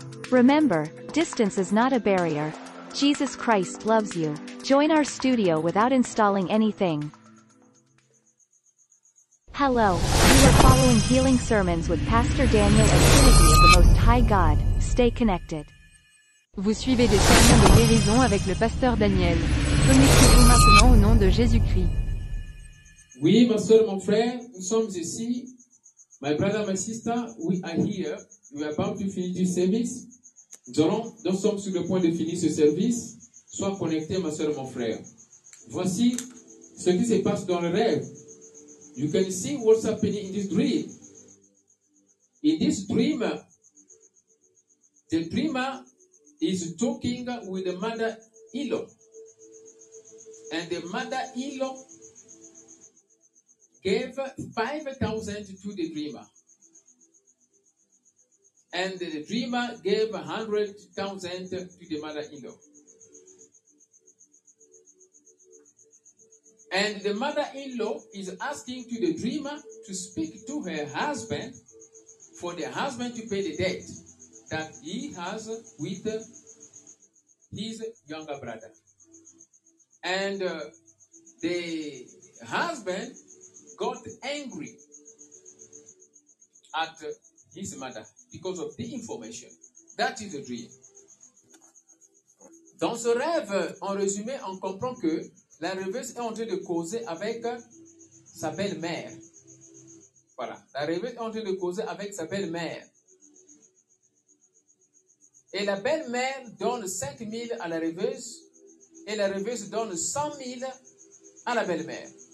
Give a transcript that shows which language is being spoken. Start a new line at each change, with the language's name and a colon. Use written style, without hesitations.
English: Remember, distance is not a barrier. Jesus Christ loves you. Join our studio without installing anything. Hello, you are following Healing Sermons with Pastor Daniel of Trinity of the Most High God. Stay connected.
French: Vous suivez des sermons de guérison avec le pasteur Daniel. Connectez-vous maintenant au nom de Jésus-Christ. Oui, ma soeur, mon frère, nous sommes ici.
English: My brother, my sister, we are here. We are about to finish this service.
French: Nous sommes sur le point de finir ce service. Sois connecté, ma soeur, mon frère. Voici ce qui se passe dans le rêve.
English: You can see what's happening in this dream. In this dream, the dreamer is talking with the mother-in-law. And the mother-in-law gave 5,000 to the dreamer. And the dreamer gave 100,000 to the mother-in-law. And the mother-in-law is asking to the dreamer to speak to her husband for the husband to pay the debt that he has with his younger brother. And the husband got angry at his mother because of the information. That is a dream.
French: Dans ce rêve, en résumé, on comprend que la rêveuse est en train de causer avec sa belle-mère. Voilà. La rêveuse est en train de causer avec sa belle-mère. Et la belle-mère donne 5 000 à la rêveuse. Et la rêveuse donne 100 000 à la belle-mère.